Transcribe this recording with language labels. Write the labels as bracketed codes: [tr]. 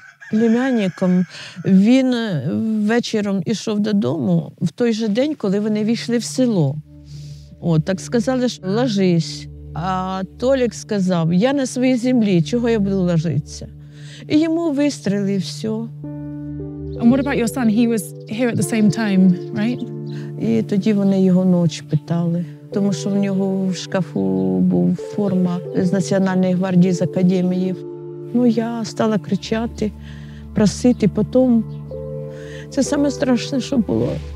[ru] Племянником. [uk] Він вечором ішов додому в той же день, коли вони війшли в село. От, так сказали, що ложись. А Толік сказав, я на своїй землі, чого я буду ложитися? І йому вистріли, і все. [en] And what about your son? He was here at the same time, right? [uk] І тоді вони його ночі питали. Тому що в нього в шкафу був форма з Національної гвардії з академії. Ну, я стала кричати, просити, потім це саме страшне, що було.